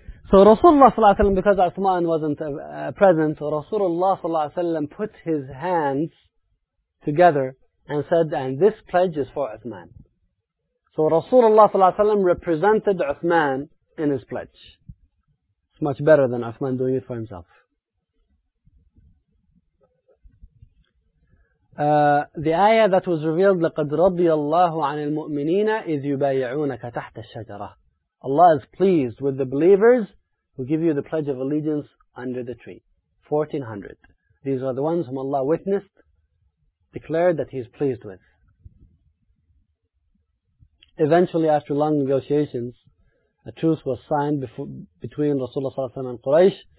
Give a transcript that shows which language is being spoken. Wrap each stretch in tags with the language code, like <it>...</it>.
<en>So Rasulullah ﷺ, because Uthman wasn't present, Rasulullah ﷺ put his hands together and said, and this pledge is for Uthman. So Rasulullah ﷺ represented Uthman in his pledge. It's much better than Uthman doing it for himself.</en> <ar>The ayah that was revealed, لَقَدْ رَضِيَ اللَّهُ عَنِ الْمُؤْمِنِينَ إِذْ يُبَايَعُونَكَ تَحْتَ الشَّجَرَةِ.</ar> <en>Allah is pleased with the believers who give you the pledge of allegiance under the tree. 1400. These are the ones whom Allah witnessed, declared that He is pleased with. Eventually, after long negotiations, a truce was signed between Rasulullah ﷺ and Quraysh.</en>